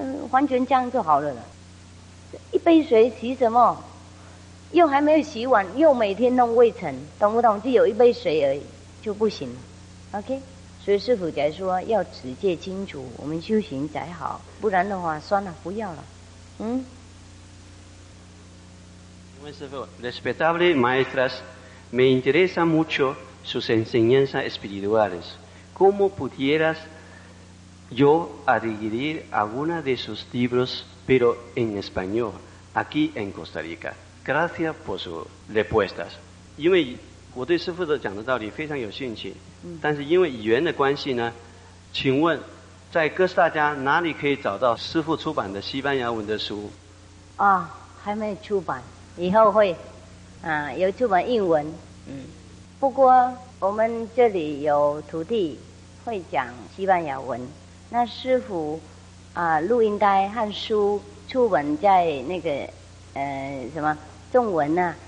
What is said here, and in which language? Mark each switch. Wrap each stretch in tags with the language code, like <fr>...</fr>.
<zh>完全这样就好了了。一杯水洗什么？又还没有洗碗，又每天弄灰尘，懂不懂？只有一杯水而已就不行了。 OK， 所以师父才说要持戒清楚，我们修行才好，不然的话算了，不要了。嗯，</zh> <es>respetables maestras, me interesa mucho sus enseñanzas espirituales. ¿Cómo pudieras yo adquirir alguna de sus libros, pero en español, aquí en Costa Rica? Gracias por sus respuestas.</es> <zh>因为我对师父的讲的道理非常有兴趣，但是因为语言的关系呢，请问在哥斯大家哪里可以找到师父出版的西班牙文的书？啊，还没出版。以后会，啊，有出版英文，嗯，不过我们这里有徒弟会讲西班牙文，那师父啊，录音带和书出版在那个什么中文呢、啊？</zh>